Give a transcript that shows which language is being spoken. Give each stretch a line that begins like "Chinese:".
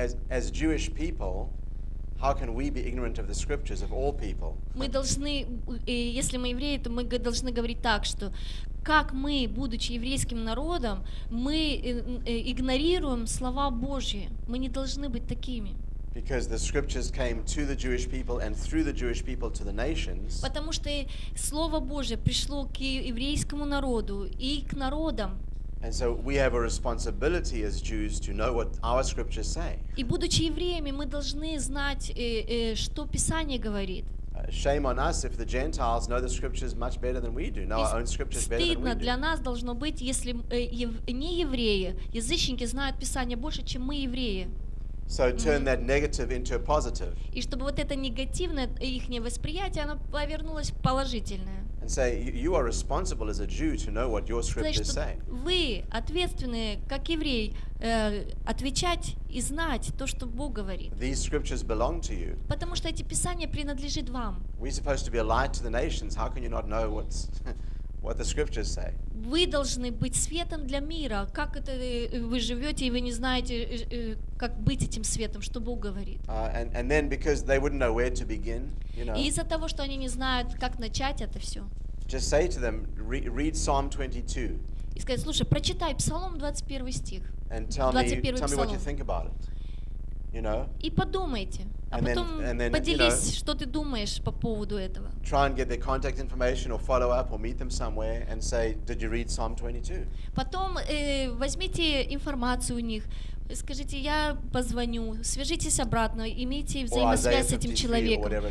English: As Jewish people, how can we be ignorant of the scriptures of all people?
Russian: Мы должны, если мы евреи, то мы должны говорить так, что как мы, будучи еврейским народом, мы игнорируем слова Божьи. Мы не должны быть такими.
English: Because the scriptures came to the Jewish people and through the Jewish people to the nations.
Russian: Потому что слово Божье пришло к еврейскому народу и к народам.
English: And so we have a responsibility as Jews to know what our scriptures say.
Russian: И будучи евреями, мы должны знать, что Писание говорит.
English: Shame on us if the Gentiles know the scriptures much better than we do. Know our own scriptures better than we do.
Russian: Стыдно для нас должно быть, если не евреи, язычники знают Писание больше, чем мы евреи.
English: So turn that negative into a positive.
Russian: И чтобы вот это негативное их восприятие, оно повернулось в положительное.
English: And say you are responsible as a Jew to know what your scriptures say.
Russian: Вы ответственны как еврей отвечать и знать то, что Бог говорит.
English: These scriptures belong to you.
Russian: Потому что эти писания принадлежат вам.
English: We're supposed to be a light to the nations. How can you not know what the scriptures say?
Russian: Вы должны быть светом для мира. Как это вы живете и вы не знаете, как быть этим светом, что Бог говорит?
English: And then because they wouldn't know where to begin, you know.
Russian: И из-за того, что они не знают, как начать это все.
English: Just say to them, read Psalm 22.
Russian: И сказать, слушай, прочитай Псалом 21 стих.
English: And tell me what you think about it. You know?
Russian: И подумайте, а потом поделись,
English: you know,
Russian: что ты думаешь по поводу этого.
English: Try and get their contact information or follow up or meet them somewhere and say, did you read Psalm 22?
Russian: Потом возьмите информацию у них, скажите, я позвоню, свяжитесь обратно, имейте взаимосвязь с этим человеком.